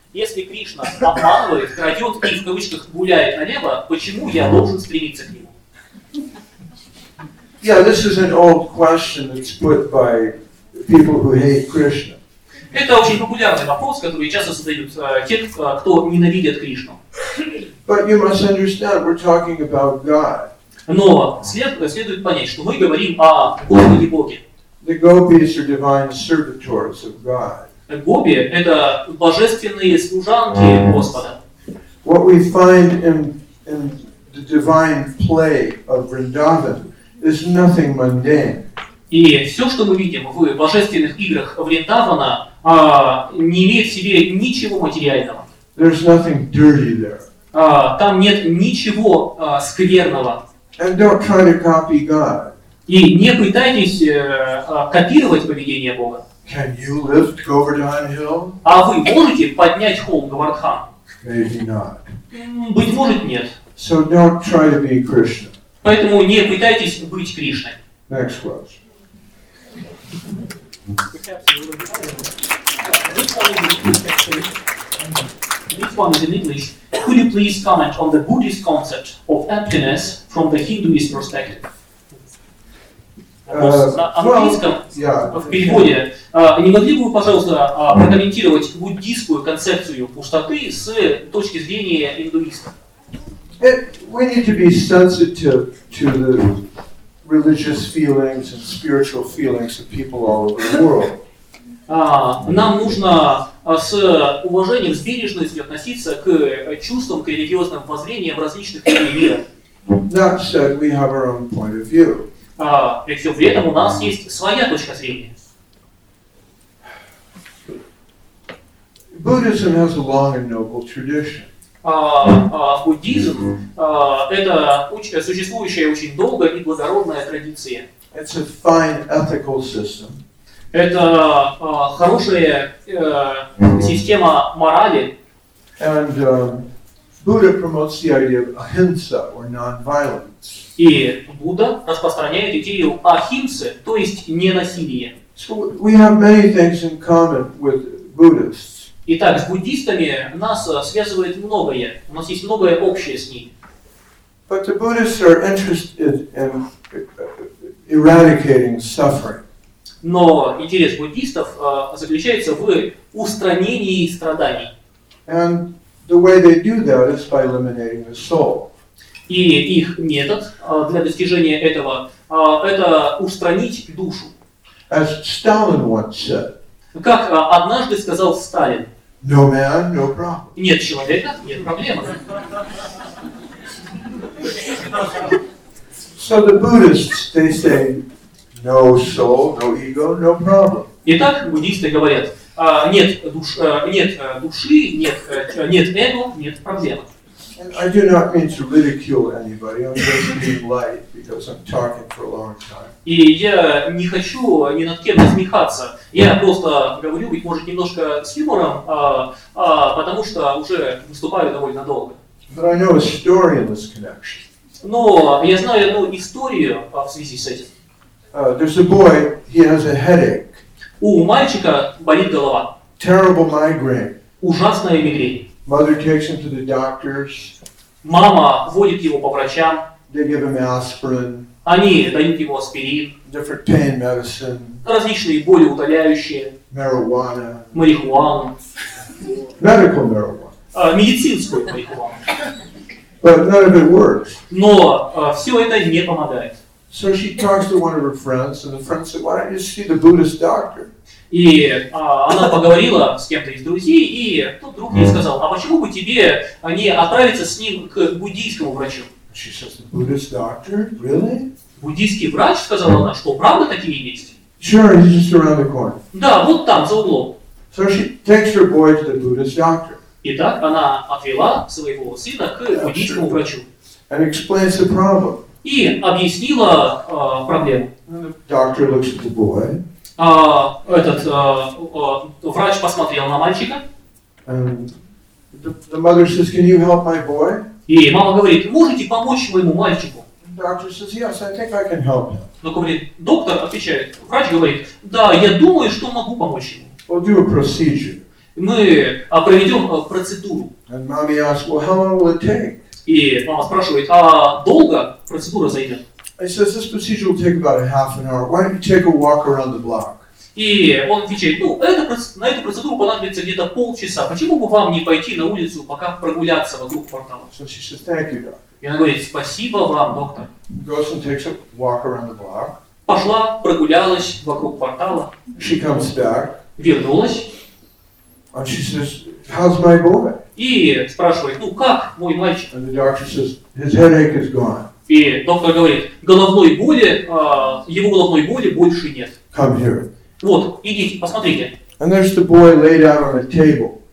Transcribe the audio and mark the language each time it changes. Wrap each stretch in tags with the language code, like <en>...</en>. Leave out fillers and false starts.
<ru>Если Кришна обманывает, крадет и в кавычках гуляет налево, почему я должен стремиться к нему?</ru> <en>Yeah, this is an old question that's put by people who hate Krishna.</en> <ru>Это очень популярный вопрос, который часто задают те, кто ненавидят Кришну.</ru> <en>But you must understand, we're talking about God.</en> <ru>Но следует понять, что мы говорим о Господе Боге.</ru> <en>The gopis are divine servitors of God.</en> <ru>Гопи — это божественные служанки Господа.</ru> <en>What we find in the divine play of Vrindavan is nothing mundane.</en> <ru>И все, что мы видим в божественных играх Вриндавана, не имеет в себе ничего материального.</ru> <en>There's nothing dirty there.</en> <ru>Там нет ничего скверного.</ru> <en>And don't try to copy God.</en> <ru>И не пытайтесь копировать поведение Бога.</ru> <en>Can you lift Govardhan Hill?</en> <ru>А вы можете поднять холм Говардхан?</ru> <en>Maybe not.</en> <ru>Быть может, нет.</ru> <en>So don't try to be Krishna.</en> <ru>Поэтому не пытайтесь быть Кришной.</ru> <en>Next question. This one is in English. Could you please comment on the Buddhist concept of emptiness from the Hinduist perspective?</en> <ru>В переводе. Не могли бы вы, пожалуйста, прокомментировать буддийскую концепцию пустоты с точки зрения индуиста?</ru> <en>We need to be sensitive to the religious feelings and spiritual feelings of people all over the world.</en> <ru>Нам нужно с уважением, с бережностью относиться к чувствам, к религиозным воззрениям различных людей мира.</ru> <en>That said, we have our own point of view.</en> <ru>При всем при этом у нас есть своя точка зрения.</ru> <en>Buddhism has a long and noble tradition.</en> <ru>Буддизм это существующая очень долго и благородная традиция.</ru> <en>It's a fine ethical system.</en> <ru>Это хорошая система морали.</ru> <en>And Buddha promotes the idea of ahimsa or non-violence.</en> <ru>И Будда распространяет идею ахимсы, то есть ненасилия.</ru> <en>So we have many things in common with Buddhists.</en> <ru>Итак, с буддистами нас связывает многое. У нас есть многое общее с ними.</ru> <en>But the Buddhists are interested in eradicating suffering.</en> <ru>Но интерес буддистов заключается в устранении страданий.</ru> <en>And the way they do that is by eliminating the soul.</en> <ru>И их метод для достижения этого это устранить душу.</ru> <en>As Stalin once said.</en> <ru>Как однажды сказал Сталин.</ru> <en>No man, no problem.</en> <ru>Нет человека, нет проблем.</ru> <en>So the Buddhists, they say, no soul, no ego, no problem.</en> <ru>Итак, буддисты говорят, нет души, нет эго, нет проблем.</ru> <en>I do not mean to ridicule anybody. I'm just being light because I'm talking for a long time.</en> <ru>И я не хочу ни над кем насмехаться. Я просто говорю, быть может, немножко с юмором, потому что уже выступаю довольно долго.</ru> <en>But I know a story in this connection.</en> <ru>Но я знаю одну историю в связи с этим.</ru> <en>There's a boy. He has a headache.</en> <ru>У мальчика болит голова.</ru> <en>Terrible migraine.</en> <ru>Ужасная мигрень.</ru> <en>Mother takes him to the doctors.</en> <ru>Мама водит его по врачам.</ru> <en>They give him aspirin.</en> <ru>Они дают ему аспирин.</ru> <en>Different pain medicine.</en> <ru>Различные боли утоляющие.</ru> <en>Marijuana.</en> <ru>Марихуану.</ru> <en>Medical marijuana.</en> <ru>Медицинскую марихуану.</ru> <en>But none of it works.</en> <ru>Но все это не помогает.</ru> <en>So she talks to one of her friends, and the friend said, "Why don't you see the Buddhist doctor?"</en> <ru>И она поговорила с кем-то из друзей, и тот друг ей сказал, а почему бы тебе не отправиться с ним к буддийскому врачу?</ru> <en>She says, the Buddhist doctor? Really?</en> <ru>Буддийский врач, сказала она, что правда такие есть?</ru> <en>Sure, he's just around the corner.</en> <ru>Да, вот там, за углом.</ru> <en>So she takes her boy to the Buddhist doctor.</en> <ru>Итак, она отвела своего сына к буддийскому врачу.</ru> <en>And explains the problem.</en> <ru>И объяснила проблему.</ru> <en>Doctor looks at the boy.</en> <ru>Врач посмотрел на мальчика.</ru> <en>The mother says, "Can you help my boy?"</en> <ru>И мама говорит, можете помочь моему мальчику?</ru> <en>And doctor says, "Yes, I think I can help him."</en> <ru>Но говорит, доктор отвечает, врач говорит, да, я думаю, что могу помочь ему.</ru> <en>We'll do a procedure.</en> <ru>Мы проведем процедуру.</ru> <en>And mommy asks, "Well, how long will it take?"</en> <ru>И мама спрашивает, а долго процедура займет?</ru> <en>He says this procedure will take about a half an hour. Why don't you take a walk around the block?</en> <ru>И он отвечает, ну на эту процедуру понадобится где-то полчаса. Почему бы вам не пойти на улицу, пока прогуляться вокруг квартала?</ru> <en>So she says, thank you, doctor.</en> <ru>И она говорит, спасибо вам, доктор.</ru> <en>Goes and takes a walk around the block.</en> <ru>Пошла, прогулялась вокруг квартала.</ru> <en>She comes back.</en> <ru>Вернулась.</ru> <en>And she says, how's my boy?</en> <ru>И спрашивает, ну как мой мальчик?</ru> <en>And the doctor says, his headache is gone.</en> <ru>И доктор говорит, головной боли, его головной боли больше нет.</ru> <en>Come here.</en> <ru>Вот, идите, посмотрите.</ru> <en>And there's the boy laid out on the table.</en>